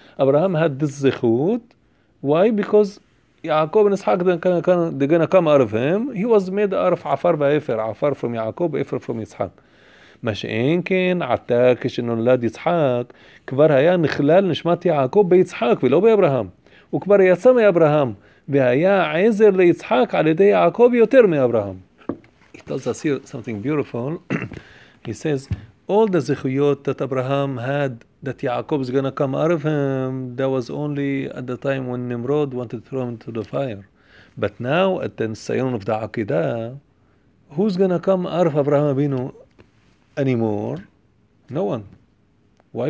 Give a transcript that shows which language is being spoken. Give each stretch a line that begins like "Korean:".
English: Abraham had this zechut. Why? Because Yaakov and Yitzhak, they're going to come out of him. He was made out of Afar va'Efer, Afar from Yaakov, Efer from Yitzhak.
Hebrew: משאין כן עתה כשנולד יצחק כבר היה נכלל נשמת יעקב ביצחק ולא באברהם הוא כבר יצא מאברהם והיה עזר ליצחק על ידי יעקב יותר מאברהם.
English: He tells us here something beautiful. He says all the זכויות that Abraham had that יעקב is going to come out of him, that was only at the time when Nimrod wanted to throw him into the fire. But now at the Nisayon of the Akida, who's going to come out of Abraham Abinu anymore? No one. Why?